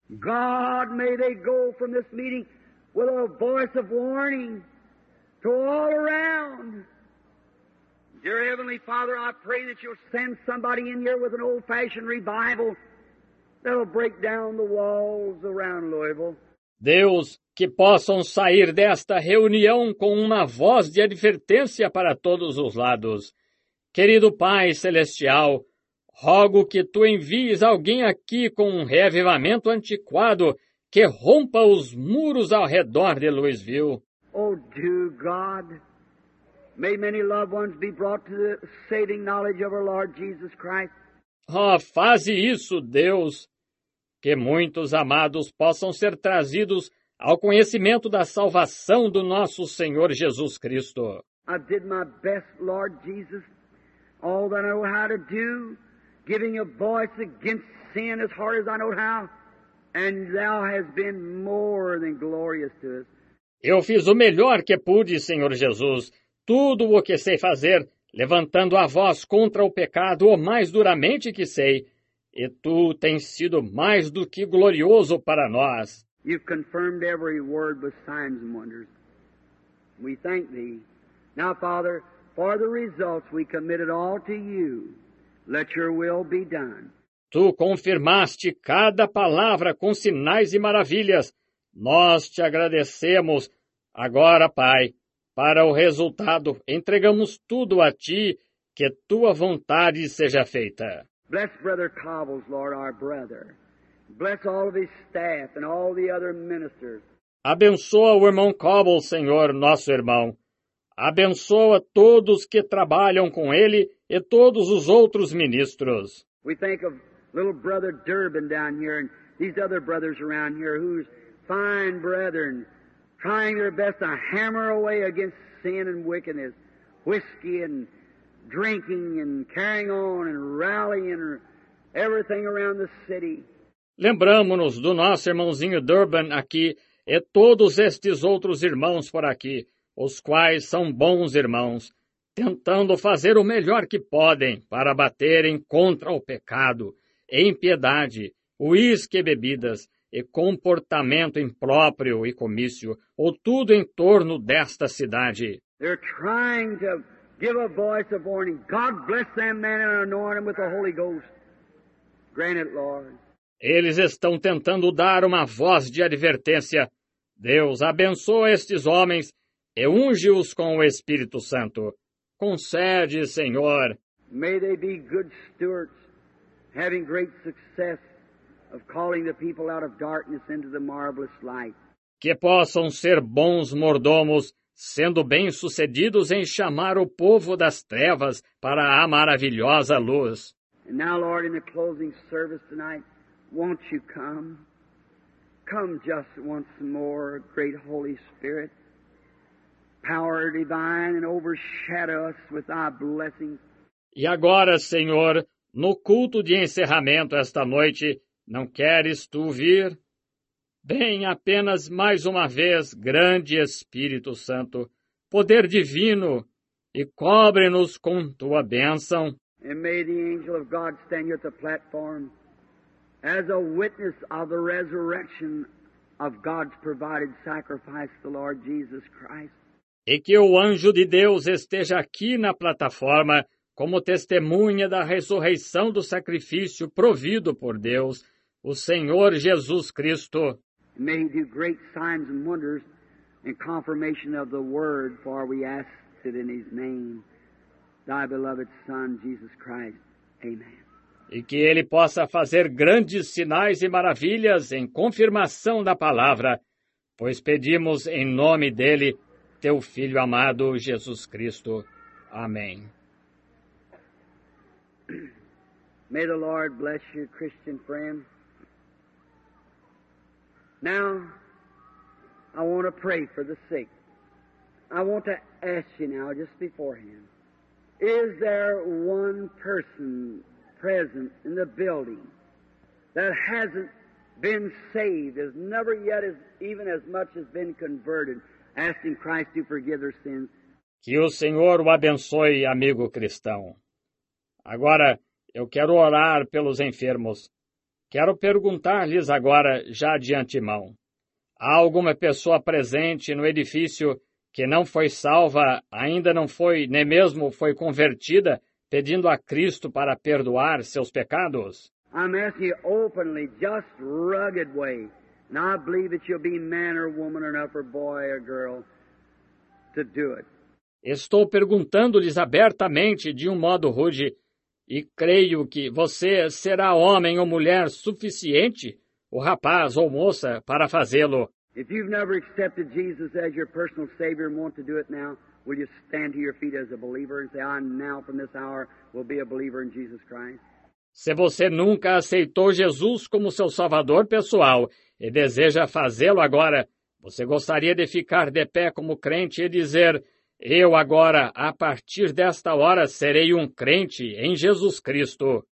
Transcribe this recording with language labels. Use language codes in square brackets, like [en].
[en] God, may they go from this meeting with a voice of warning to all around. Dear Heavenly Father, I pray that you'll send somebody in here with an old-fashioned revival that'll break down the walls around Louisville. [pt] Deus, que possam sair desta reunião com uma voz de advertência para todos os lados. Querido Pai Celestial, rogo que Tu envies alguém aqui com um reavivamento antiquado que rompa os muros ao redor de Louisville. [en] Oh, dear God, may many loved ones be brought to the saving knowledge of our Lord Jesus Christ. [pt] Oh, faze isso, Deus, que muitos amados possam ser trazidos ao conhecimento da salvação do nosso Senhor Jesus Cristo. [en] I did my best, Lord Jesus, all that I know how to do, giving a voice against sin as hard as I know how, and thou hast been more than glorious to us. [pt] Eu fiz o melhor que pude, Senhor Jesus, tudo o que sei fazer, levantando a voz contra o pecado o mais duramente que sei, e Tu tens sido mais do que glorioso para nós. [en] You've confirmed every word with signs and wonders. We thank Thee. Now, Father, for the results we committed all to You, let Your will be done. [pt] Tu confirmaste cada palavra com sinais e maravilhas. Nós Te agradecemos. Agora, Pai, para o resultado, entregamos tudo a Ti, que Tua vontade seja feita. [en] Bless Brother Cobbles, Lord, our brother. Bless all of his staff and all the other ministers. [pt] Abençoa o irmão Cobble, Senhor, nosso irmão. Abençoa todos que trabalham com ele e todos os outros ministros. [en] We think of little brother Durbin down here and these other brothers around here whose fine brethren trying their best to hammer away against sin and wickedness, whiskey and drinking and carrying on and rallying everything around the city. [pt] Lembramos-nos do nosso irmãozinho Durbin aqui e todos estes outros irmãos por aqui, os quais são bons irmãos, tentando fazer o melhor que podem para baterem contra o pecado, em piedade, uísque e bebidas, e comportamento impróprio e comício, ou tudo em torno desta cidade. [en] They're trying to give a voice of warning. God bless them, man, and anoint them with the Holy Ghost. Grant it, Lord. [pt] Eles estão tentando dar uma voz de advertência. Deus, abençoa estes homens e unge-os com o Espírito Santo. Concede, Senhor. [en] May they be good stewards, having great success of calling the people out of darkness into the marvelous light. [pt] Que possam ser bons mordomos, sendo bem-sucedidos em chamar o povo das trevas para a maravilhosa luz. [en] And now, Lord, in the closing service tonight, won't you come? Come just once more, great Holy Spirit, power divine, and overshadow us with thy blessing. [pt] E agora, Senhor, no culto de encerramento esta noite, não queres tu vir? Bem, apenas mais uma vez, grande Espírito Santo, poder divino, e cobre-nos com tua bênção. [en] And may the angel of God stand at the platform as a witness of the resurrection of God's provided sacrifice, the Lord Jesus Christ. [pt] E que o anjo de Deus esteja aqui na plataforma como testemunha da ressurreição do sacrifício provido por Deus, o Senhor Jesus Cristo. [en] May he do great signs and wonders in confirmation of the word, for we ask it in his name, thy beloved Son, Jesus Christ. Amen. [pt] E que Ele possa fazer grandes sinais e maravilhas em confirmação da palavra, pois pedimos em nome dEle, Teu Filho amado, Jesus Cristo. Amém. [en] May the Lord bless you, Christian friend. Now, I want to pray for the sick. I want to ask you now, just beforehand, is there one person present in the building that hasn't been saved, has never yet as even as much as been converted, asking Christ to forgive their sins? [pt] Que o Senhor o abençoe, amigo cristão. Agora, eu quero orar pelos enfermos. Quero perguntar-lhes agora, já de antemão. Há alguma pessoa presente no edifício que não foi salva, ainda não foi, nem mesmo foi convertida, pedindo a Cristo para perdoar seus pecados? [en] I'm asking you openly, just rugged way, and I believe that you'll be man or woman enough, or boy or girl, to do it. [pt] Estou perguntando-lhes abertamente, de um modo rude, e creio que você será homem ou mulher suficiente, ou rapaz ou moça, para fazê-lo. [en] If you've never accepted Jesus as your personal Savior and want to do it now, will you stand to your feet as a believer and say, I now, from this hour, will be a believer in Jesus Christ? [pt] Se você nunca aceitou Jesus como seu Salvador pessoal e deseja fazê-lo agora, você gostaria de ficar de pé como crente e dizer, eu agora, a partir desta hora, serei um crente em Jesus Cristo.